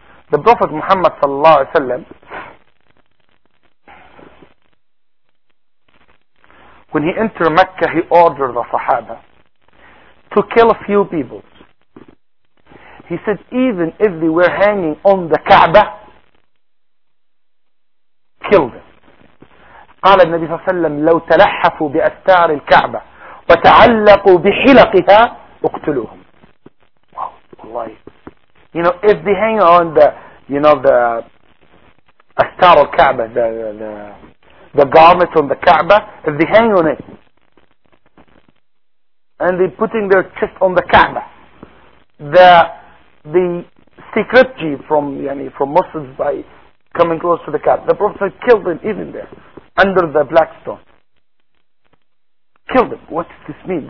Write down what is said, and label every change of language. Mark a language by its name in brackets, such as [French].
[English] The Prophet Muhammad sallallahu alaihi wasallam, when he entered Mecca, he ordered the Sahaba to kill a few people. He said, even if they were hanging on the Kaaba, kill them. [Arabic] قال النبي صلى الله عليه وسلم لو تلحفوا بأستار الكعبة وتعلقوا بحلقها اقتلوهم. [English] والله, you know, if they hang on the أستار الكعبة, the garment on the Kaaba, if they hang on it and they're putting their chest on the Kaaba, the secret jeep from Muslims by coming close to the Kaaba, the Prophet killed them even there under the black stone. Killed them. What does this mean?